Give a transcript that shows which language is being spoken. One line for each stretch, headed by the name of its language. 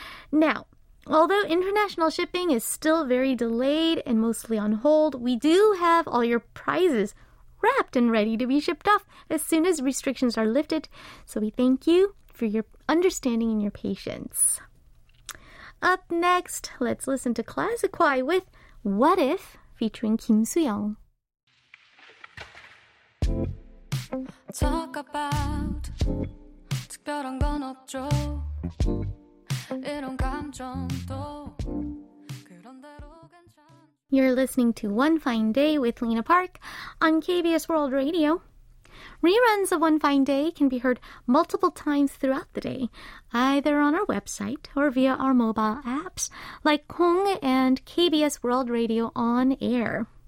English: Now, although international shipping is still very delayed and mostly on hold, we do have all your prizes wrapped and ready to be shipped off as soon as restrictions are lifted. So we thank you for your understanding and your patience. Up next, let's listen to Classic Choir with What If, featuring Kim Soo-young. Talk about
Korean: 특별한 건 없죠. 이런 감정도 그런 대로 괜찮...
English: You're listening to One Fine Day with Lena Park on KBS World Radio. Reruns of One Fine Day can be heard multiple times throughout the day, either on our website or via our mobile apps like Kong and KBS World Radio On Air.